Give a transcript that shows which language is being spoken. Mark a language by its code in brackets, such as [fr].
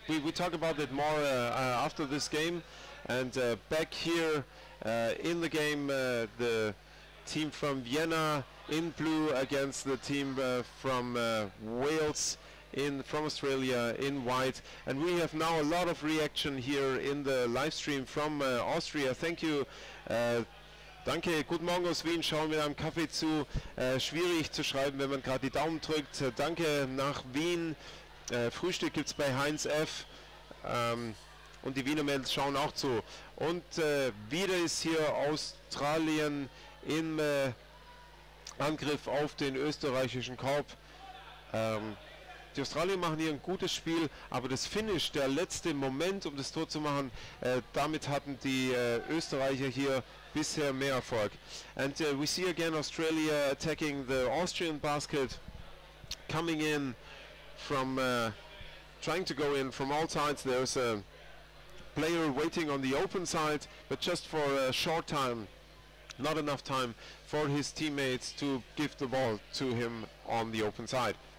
[en] We talk about it more after this game. And back here in the game, the team from Vienna in blue against the team from Wales from Australia in white. And we have now a lot of reaction here in the live stream from Austria. Thank you. [de] Danke, guten Morgen aus Wien, schauen wir am Kaffee zu. Schwierig zu schreiben, wenn man gerade die Daumen drückt. Danke nach Wien. Frühstück gibt's bei Heinz F. Und die Wiener Mädels schauen auch zu. Und wieder ist hier Australien im Angriff auf den österreichischen Korb. Die Australier machen hier ein gutes Spiel, aber das Finish, der letzte Moment, um das Tor zu machen, damit hatten die Österreicher hier bisher mehr Erfolg. [en] And we see again Australia attacking the Austrian basket, coming in from, trying to go in from all sides. There's a player waiting on the open side, but just for a short time, not enough time for his teammates to give the ball to him on the open side.